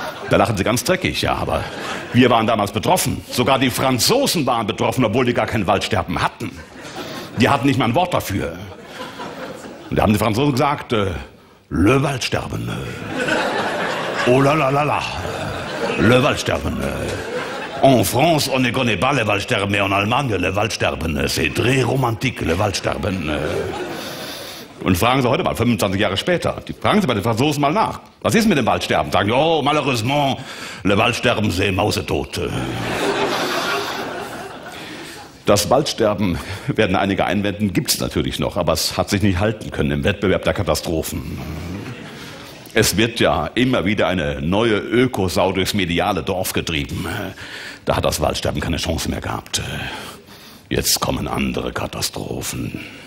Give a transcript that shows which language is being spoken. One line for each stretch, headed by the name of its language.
German: Da lachen Sie ganz dreckig, ja, aber wir waren damals betroffen. Sogar die Franzosen waren betroffen, obwohl die gar kein Waldsterben hatten. Die hatten nicht mal ein Wort dafür. Und da haben die Franzosen gesagt, le Waldsterben.
French: Oh la la la la, le Waldsterben. En France, on ne connaît pas le Waldsterben, mais en Allemagne, le Waldsterben. C'est très romantique, le Waldsterben.
German: Und fragen Sie heute mal, 25 Jahre später, fragen Sie bei den Franzosen mal nach. Was ist mit dem Waldsterben? Sagen Sie,
French: oh, malheureusement, le Waldsterben, c'est
German: mausetot. Das Waldsterben, werden einige einwenden, gibt es natürlich noch, aber es hat sich nicht halten können im Wettbewerb der Katastrophen. Es wird ja immer wieder eine neue Ökosau durchs mediale Dorf getrieben. Da hat das Waldsterben keine Chance mehr gehabt. Jetzt kommen andere Katastrophen.